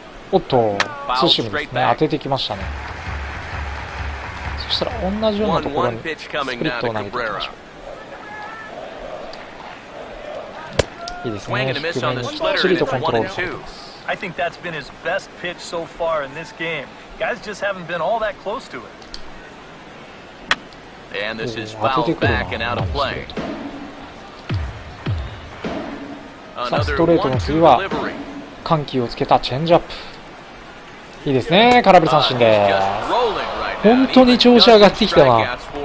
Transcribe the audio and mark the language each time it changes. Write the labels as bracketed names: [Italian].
[Japanese] おっと、ツーシームですね、当ててきましたね。そしたら同じようなところにスプリットを投げていきましょう。いいですね、低めにきっちりとコントロールされています。 [English] I think that's been his best pitch so far in this game. Guys just haven't been all that close to it. And this is foul back and out of play. [Japanese] さあ、ストレートの次は緩急をつけたチェンジアップ。いいですね、空振り三振で。本当に調子上がってきたな。